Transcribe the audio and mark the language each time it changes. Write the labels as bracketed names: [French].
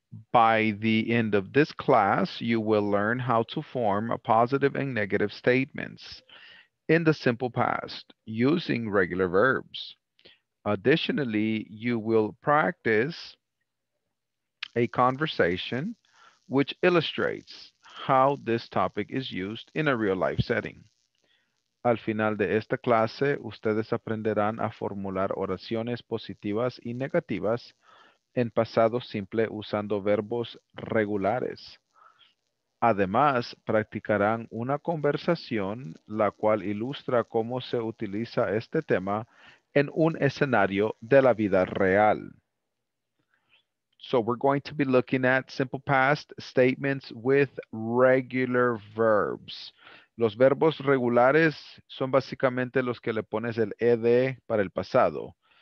[English] By the end of this class, you will learn how to form a positive and negative statements in the simple past using regular verbs. Additionally, you will practice a conversation which illustrates how this topic is used in a real life setting. [Spanish] Al final de esta clase, ustedes aprenderán a formular oraciones positivas y negativas en pasado simple usando verbos regulares. Además, practicarán una conversación la cual ilustra cómo se utiliza este tema en un escenario de la vida real. [English] So we're going to be looking at simple past statements with regular verbs. [Spanish] Los verbos regulares son básicamente los que le pones el ed para el pasado.